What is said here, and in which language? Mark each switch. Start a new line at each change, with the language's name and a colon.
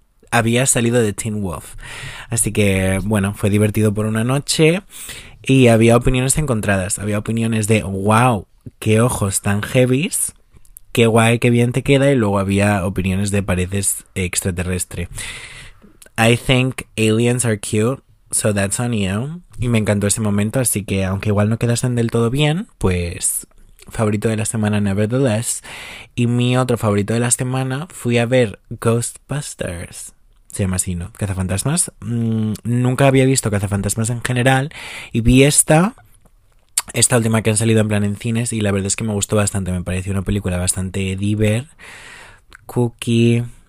Spanish: Había salido de Teen Wolf. Así que, bueno, fue divertido por una noche. Y había opiniones encontradas. Había opiniones de, wow, qué ojos tan heavies. Qué guay, qué bien te queda. Y luego había opiniones de pareces extraterrestre.
English: I think aliens are cute, so that's on you.
Spanish: Y me encantó ese momento, así que aunque igual no quedasen del todo bien, pues favorito de la semana
English: nevertheless.
Spanish: Y mi otro favorito de la semana, fui a ver Ghostbusters. Se llama así, ¿no? ¿Cazafantasmas? Nunca había visto Cazafantasmas en general y vi esta última que han salido en plan en cines y la verdad es que me gustó bastante. Me pareció una película bastante diver, cookie,